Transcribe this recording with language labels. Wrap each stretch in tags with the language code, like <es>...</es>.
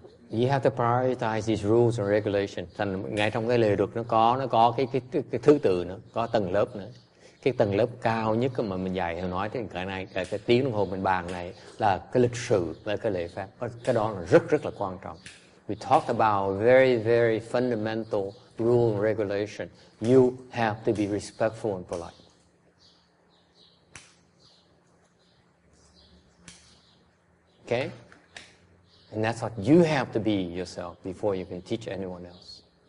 <en>You have to prioritize these rules and regulations.</en> <vi>Thành ngay trong cái lề luật nó có cái thứ tự nữa, có tầng lớp nữa. Cái tầng lớp cao nhất mà mình dạy hay nói thì cái này, cái tiếng đồng hồ mình bàn này là cái lịch sử và cái lễ phép. Cái đó là rất rất là quan trọng.</vi> <en>We talked about very very fundamental rule and regulation. You have to be respectful and polite. Okay? And that's what you have to be yourself before you can teach anyone else.</en>